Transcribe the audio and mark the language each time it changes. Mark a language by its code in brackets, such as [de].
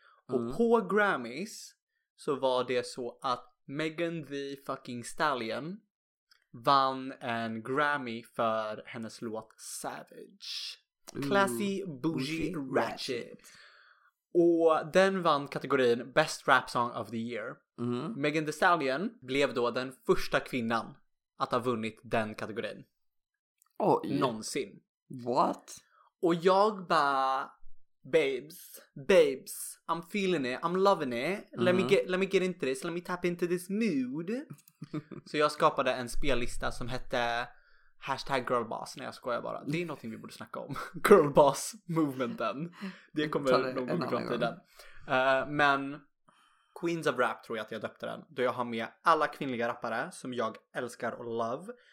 [sv] Och på Grammys så var det så att Megan the fucking Stallion vann en Grammy för hennes låt Savage. [en] Classy, bougie, ratchet. [sv] Och den vann kategorin Best Rap Song of the Year. Megan Thee Stallion blev då den första kvinnan att ha vunnit den kategorin. Någonsin. [en] What? [sv] Och jag bara, [en] babes, I'm feeling it, I'm loving it. Let me get into this, let me tap into this mood. [sv] Så jag skapade en spellista som hette Hashtag girlboss, när jag skojar bara. Det är någonting vi borde snacka om. Girlboss-movementen. Det kommer någon gång i framtiden. Men Queens of Rap tror jag att jag döpte den. Då jag har med alla kvinnliga rappare som jag älskar och [en] love.